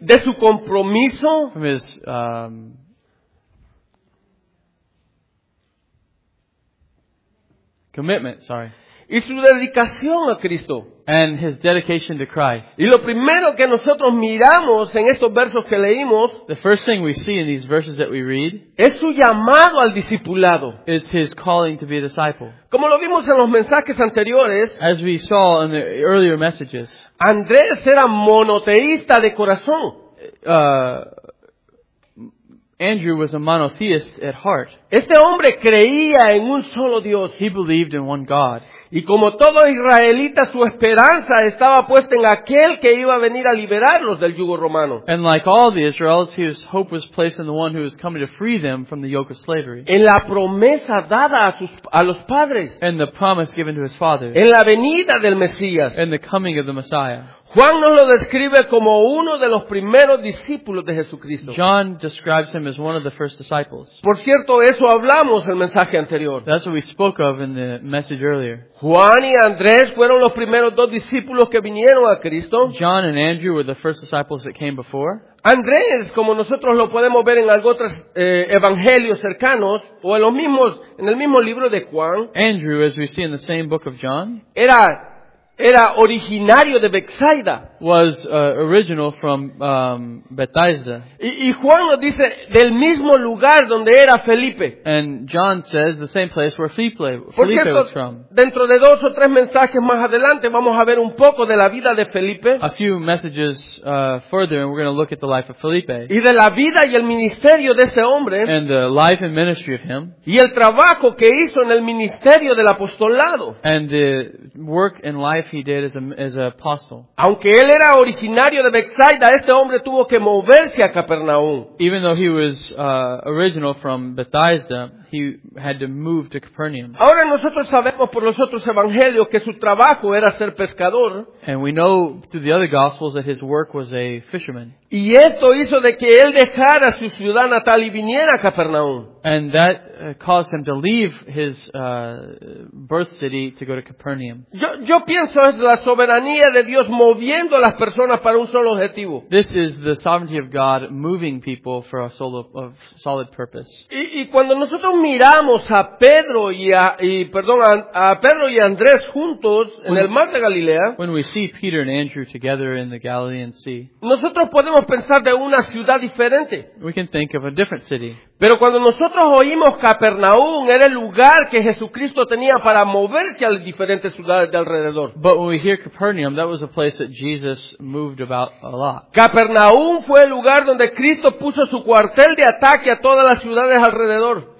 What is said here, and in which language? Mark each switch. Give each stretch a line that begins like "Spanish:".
Spanish: de su compromiso,
English: from his commitment, sorry.
Spanish: Y su dedicación a Cristo.
English: And his dedication to Christ.
Spanish: Y lo primero que nosotros miramos en estos versos que leímos,
English: the first thing we see in these verses that we read,
Spanish: es su llamado al discipulado.
English: Is his calling to be a disciple.
Spanish: Como lo vimos en los mensajes anteriores,
English: as we saw in the earlier messages,
Spanish: Andrés era monoteísta de corazón.
English: Andrew was a monotheist at heart.
Spanish: Este hombre creía en un solo Dios.
English: He believed in one God.
Spanish: Y como todo israelita, su esperanza estaba puesta en aquel que iba a venir a liberarlos del yugo romano.
English: And like all the Israelites, his hope was placed in the one who was coming to free them from the yoke of slavery.
Spanish: En la promesa dada a los padres.
English: And the promise given to his fathers.
Spanish: En la venida del Mesías.
English: And the coming of the Messiah.
Spanish: Juan nos lo describe como uno de los primeros discípulos de Jesucristo.
English: John describes him as one of the first disciples.
Spanish: Por cierto, eso hablamos en el mensaje anterior.
English: That's what we spoke of in the message earlier.
Spanish: Juan y Andrés fueron los primeros dos discípulos que vinieron a Cristo.
English: John and Andrew were the first disciples that came before.
Spanish: Andrés, como nosotros lo podemos ver en algunos otros evangelios cercanos, o en los mismos, en el mismo libro de Juan,
English: Andrew, as we see in the same book of John,
Spanish: era originario de Bethsaida.
English: was original from Bethesda.
Spanish: Y Juan lo dice del mismo lugar donde era Felipe.
English: And John says the same place where Felipe was from.
Spanish: Dentro de dos o tres mensajes más adelante vamos a ver un poco de la vida de Felipe.
English: A few messages further and we're going to look at the life of Felipe.
Spanish: Y de la vida y el ministerio de ese hombre.
English: And the life and ministry of him.
Spanish: Y el trabajo que hizo en el ministerio del apostolado.
English: And the work and life he did as an apostle.
Spanish: Aunque él era originario de Bethsaida, este hombre tuvo que moverse a Capernaum.
English: Even though he was original from Bethesda, he had to move to Capernaum.
Spanish: Ahora nosotros sabemos por los otros evangelios que su trabajo era ser pescador.
English: And we know through the other gospels that his work was a fisherman.
Spanish: Y esto hizo de que él dejara su ciudad natal y viniera a Capernaum.
English: And that caused him to leave his birth city to go to Capernaum.
Spanish: Yo pienso es la soberanía de Dios moviendo a las personas para un solo objetivo.
English: This is the sovereignty of God moving people for a solid purpose.
Spanish: Y cuando nosotros miramos a Pedro y a Andrés juntos en el mar de Galilea,
English: when we see Peter and Andrew together in the Galilean Sea,
Spanish: nosotros podemos pensar de una ciudad diferente.
English: We can think of a different city.
Spanish: Pero cuando nosotros oímos Capernaum, era el lugar que Jesucristo tenía para moverse a las diferentes ciudades de alrededor.
English: But when we hear Capernaum, that was a place that Jesus moved about a lot.
Spanish: Capernaum fue el lugar donde Cristo puso su cuartel de ataque a todas las ciudades alrededor.